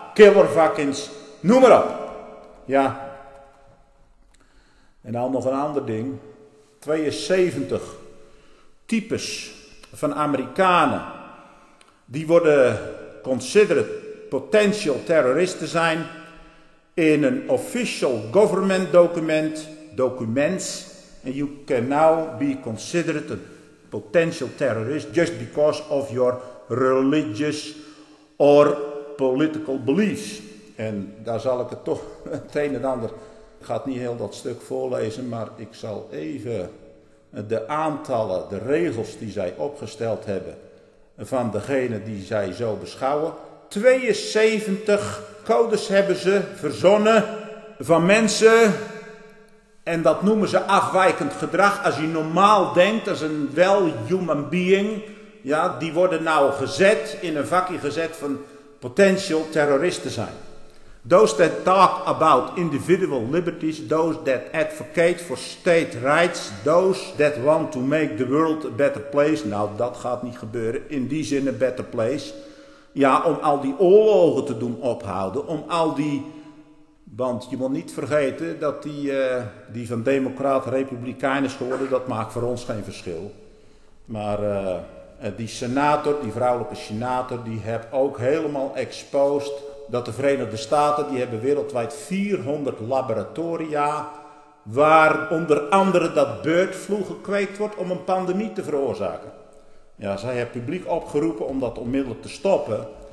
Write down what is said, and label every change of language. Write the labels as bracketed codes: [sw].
[nl] Killer vaccins, noem maar op. Ja. En dan nog een ander ding. 72 types van Amerikanen die worden [en] considered potential terrorist [nl] te zijn. In een [en] official government document, documents. And you can now be considered a potential terrorist just because of your religious or political beliefs. [nl] En daar zal ik het toch het een en ander. Ik ga het niet heel dat stuk voorlezen, maar ik zal even de aantallen, de regels die zij opgesteld hebben van degene die zij zo beschouwen. 72 codes hebben ze verzonnen van mensen en dat noemen ze afwijkend gedrag. Als je normaal denkt, als een wel [en] human being, [nl] ja, die worden nou gezet, in een vakje gezet van potential terroristen zijn. [en] Those that talk about individual liberties, those that advocate for state rights, those that want to make the world a better place. [nl] Nou, dat gaat niet gebeuren. In die zin een [en] better place. [nl] Ja, om al die oorlogen te doen ophouden, om al die, want je moet niet vergeten dat die van democraat republikein is geworden, dat maakt voor ons geen verschil. Maar die senator, die vrouwelijke senator, die heb ook helemaal exposed dat de Verenigde Staten, die hebben wereldwijd 400 laboratoria waar onder andere dat bird flu gekweekt wordt om een pandemie te veroorzaken. Ja, zij hebben publiek opgeroepen om dat onmiddellijk te stoppen.